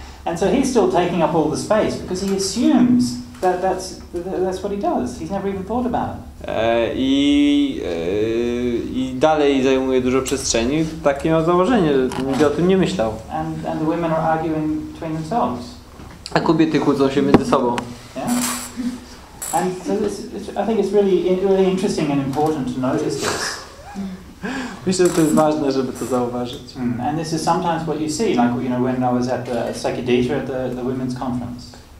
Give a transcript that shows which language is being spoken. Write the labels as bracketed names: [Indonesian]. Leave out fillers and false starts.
[English] And so he's still taking up all the space because he assumes that's what he does. He's never even thought about it. [Polish] I dalej zajmuje dużo przestrzeni. Takie ma założenie, że nigdy o tym nie myślał. [English] And the women are arguing between themselves. [Polish] A kobiety kłócą się między sobą. [English] Yeah. And so this, I think it's really interesting and important to notice this. [Polish] Myślę, że to jest ważne, żeby to zauważyć. [English] And this is sometimes what you see, like you know, when I was at the Sekideta at the women's conference.